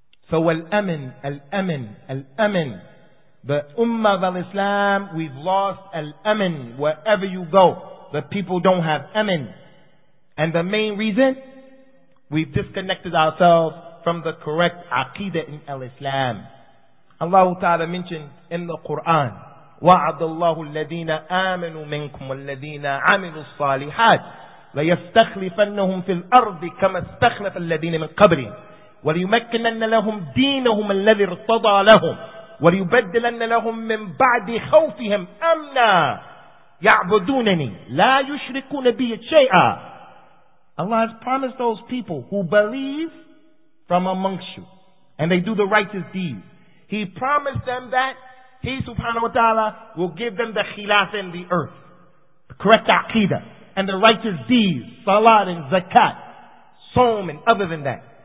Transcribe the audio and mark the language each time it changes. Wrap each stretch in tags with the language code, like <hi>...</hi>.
<en>So al-amin, al-amin, al-amin. The Ummah of Al-Islam, we've lost Al-Amin. Wherever you go, the people don't have Amin. And the main reason, we've disconnected ourselves from the correct Aqidah in Al-Islam. Allah Ta'ala mentioned in the Qur'an,</en> <ar>وَعَدَ اللَّهُ الَّذِينَ آمَنُوا مِنْكُمْ وَالَّذِينَ عَمِلُوا الصَّالِحَاتِ لَيَسْتَخْلِفَنَّهُمْ فِي الْأَرْضِ كَمَا اسْتَخْلَفَ الَّذِينَ مِنْ قَبْرِهِمْ وَلِيُمَكِّنَنَّ لَهُمْ دِينَهُمْ الَّذِي ارْتَضَى لَهُمْ وَلِيُبَدِّلَنَّ لَهُمْ مِنْ بَعْدِ خَوْفِهِمْ أَمْنًا يَعْبُدُونَنِي لَا يُشْرِكُونَ بِي شَيْئًا.</ar> <en>Allah has promised those people who believe from amongst you and they do the righteous deeds. He promised them that He subhanahu wa ta'ala will give them the khilaf in the earth, the correct aqidah and the righteous deeds, salat and zakat, sawm and other than that.</en>